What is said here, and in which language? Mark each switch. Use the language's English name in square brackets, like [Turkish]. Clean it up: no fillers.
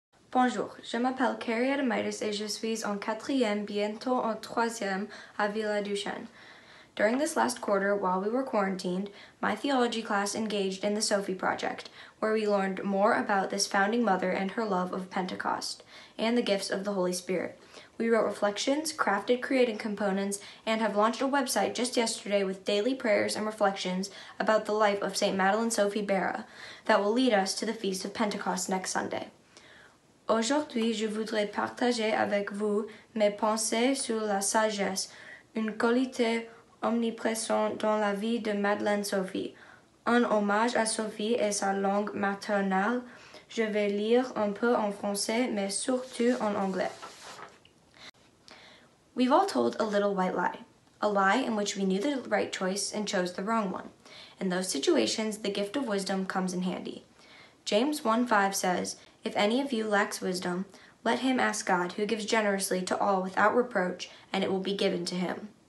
[French] Bonjour, je m'appelle Carrie Adamitis et je suis en quatrième, bientôt en troisième, à Villa Duchesne. [English] During this last quarter, while we were quarantined, my theology class engaged in the Sophie Project, where we learned more about this founding mother and her love of Pentecost and the gifts of the Holy Spirit. We wrote reflections, crafted creating components, and have launched a website just yesterday with daily prayers and reflections about the life of St. Madeleine Sophie Barat that will lead us to the Feast of Pentecost next Sunday. [French] Aujourd'hui, je voudrais partager avec vous mes pensées sur la sagesse, une qualité omniprésente dans la vie de Madeleine Sophie. En hommage à Sophie et sa langue maternelle, je vais lire un peu en français, mais surtout en anglais. [English] We've all told a little white lie, a lie in which we knew the right choice and chose the wrong one. In those situations, the gift of wisdom comes in handy. James 1:5 says, If any of you lacks wisdom, let him ask God, who gives generously to all without reproach, and it will be given to him.